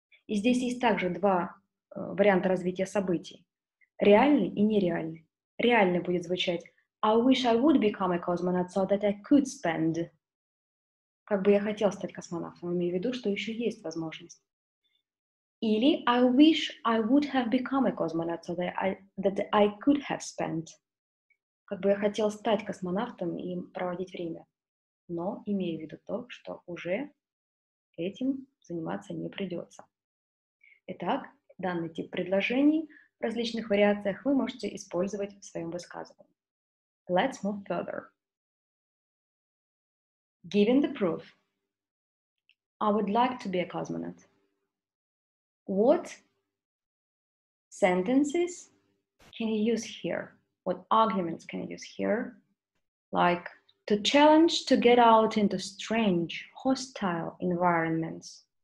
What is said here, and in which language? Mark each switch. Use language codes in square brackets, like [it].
[ru] И здесь есть также два варианта развития событий. Реальный и нереальный. Реальный будет звучать [en] I wish I would become a cosmonaut so that I could spend. [ru] Как бы я хотел стать космонавтом, имею в виду, что еще есть возможность. [en] Или I wish I would have become a cosmonaut so that I could have spent. [ru] Как бы я хотел стать космонавтом и проводить время. Но имею в виду то, что уже этим заниматься не придется. Итак, данный тип предложений в различных вариациях вы можете использовать в своем высказывании. [en] Let's move further. Given the proof, I would like to be a cosmonaut. What sentences can you use here? What arguments can you use here? Like to challenge to get out into strange, hostile environments.